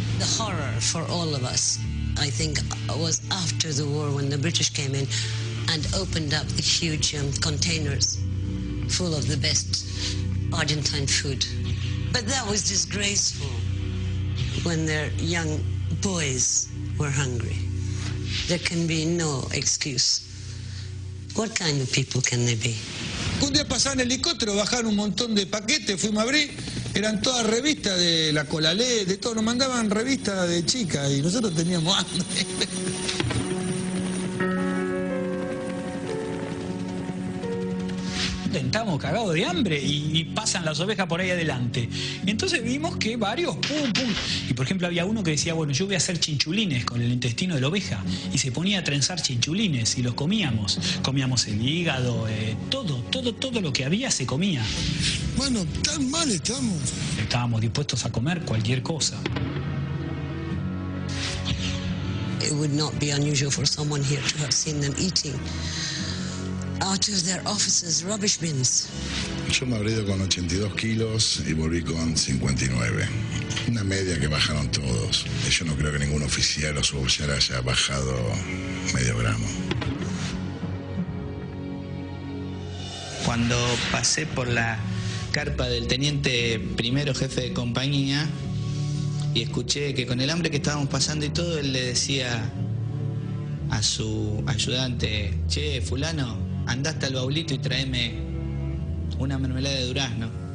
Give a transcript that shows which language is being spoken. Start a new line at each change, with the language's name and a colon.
English: The horror for all of us, I think, was after the war when the British came in and opened up the huge containers full of the best Argentine food. But that was disgraceful when their young boys were hungry. There can be no excuse. What kind of people can they be?
Spanish: Un día pasaba en helicóptero, bajaban un montón de paquetes, fuimos a abrir, eran todas revistas de la Colalé, de todo, nos mandaban revistas de chicas y nosotros teníamos hambre. Estamos cagados de hambre y pasan las ovejas por ahí adelante. Entonces vimos que varios, pum, pum. Y por ejemplo había uno que decía, bueno, yo voy a hacer chinchulines con el intestino de la oveja. Y se ponía a trenzar chinchulines y los comíamos. Comíamos el hígado, todo lo que había se comía. Bueno, tan mal estamos. Estábamos dispuestos a comer cualquier cosa.
English: It would not be unusual for someone here to have seen them eating out of their offices, rubbish bins.
Spanish: Yo me habré ido con 82 kilos y volví con 59. Una media que bajaron todos. Yo no creo que ningún oficial o suboficial haya bajado medio gramo. Cuando pasé por la carpa del teniente primero jefe de compañía y escuché que con el hambre que estábamos pasando y todo, él le decía a su ayudante, che, fulano, andá hasta el baulito y tráeme una mermelada de durazno.